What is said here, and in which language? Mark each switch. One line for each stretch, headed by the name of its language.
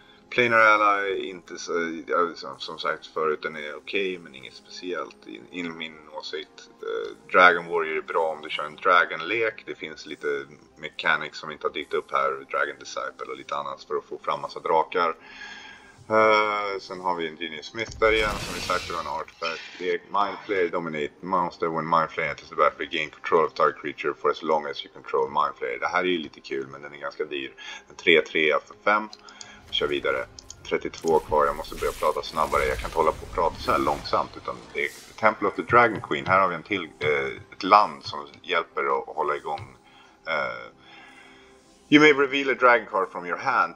Swedish: Planar Ally är inte så, som sagt förut, den är okej, men inget speciellt in min åsikt. Dragon Warrior är bra om du kör en dragon lek. Det finns lite mechanics som inte har dykt upp här, Dragon Disciple och lite annat för att få fram massa drakar. Sen har vi en Genius Smith där igen, som vi sagt, en artifact. Det är Mind Flayer Dominate Monster.
English: When Mind Flayer enters the battlefield, gain control of target creature for as long as you control Mind Flayer.
Swedish: Det här är ju lite kul, men den är ganska dyr. En 3-3 för 5. Vi kör vidare. 32 kvar, jag måste börja prata snabbare. Jag kan inte hålla på och prata så här långsamt, utan det är Temple of the Dragon Queen. Här har vi en till, ett land som hjälper att hålla igång.
English: You may reveal a dragon card from your hand.